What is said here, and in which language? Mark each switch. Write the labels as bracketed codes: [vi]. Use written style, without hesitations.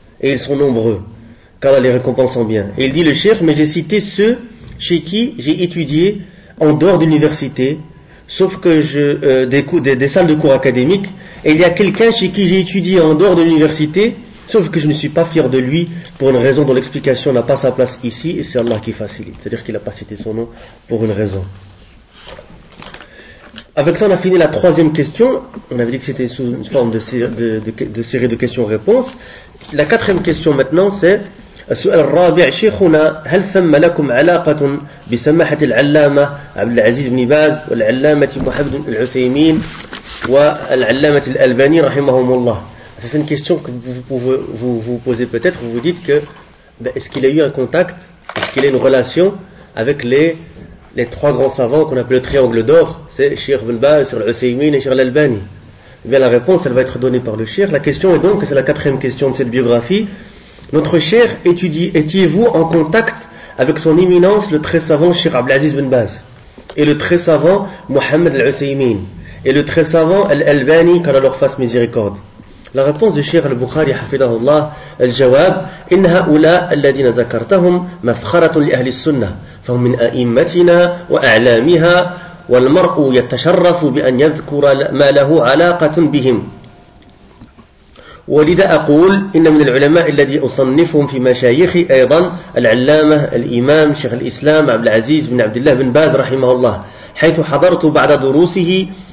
[fr] Et ils sont nombreux, car là, les récompensant bien. Et il dit le cheikh, mais j'ai cité ceux chez qui j'ai étudié en dehors d'université, sauf que je des salles de cours académiques, et il y a quelqu'un chez qui j'ai étudié en dehors de l'université, sauf que je ne suis pas fier de lui, pour une raison dont l'explication n'a pas sa place ici, et c'est Allah qui facilite. C'est-à-dire qu'il n'a pas cité son nom pour une raison. Avec ça, on a fini la troisième question. On avait dit que c'était sous une forme de série de questions-réponses. La quatrième question maintenant, c'est [ar] السؤال الرابع شيخنا هل ثم لكم علاقة بسماحة العلامة عبد العزيز بن باز والعلامة محمد العثيمين والعلامة الألباني رحمهم الله. [fr] C'est une question que vous posez peut-être. Vous dites que est-ce qu'il a eu un contact, est-ce qu'il a une relation avec les trois grands savants qu'on appelle le triangle d'or, c'est Cheikh Ibn Baz, Cheikh Al-Uthaymeen et Cheikh Al-Albani. Et bien la réponse, elle va être donnée par le Cheikh. La question est donc, c'est la quatrième question de cette biographie. Notre Cheikh étiez-vous en contact avec son éminence, le très savant Cheikh Abdelaziz Ibn Baz, et le très savant Mohamed Al-Uthaymeen, et le très savant Al-Albani, qu'Allah leur fasse miséricorde. La réponse du Cheikh Al-Bukhari, hafidahullah, al-jawab, [ar] إِنَّهَا أُولَىٰ الَّذِينَ ذَكَرْتَهُمْ مَفْخَرَةٌ لِأَهْلِ السُّنَّةِ فهم من أئمتنا وأعلامها والمرء يتشرف بأن يذكر ما له علاقة بهم ولذا أقول إن من العلماء الذي أصنفهم في مشايخي أيضا العلامة الإمام شيخ الإسلام عبد العزيز بن عبد الله بن باز رحمه الله حيث حضرت بعد دروسه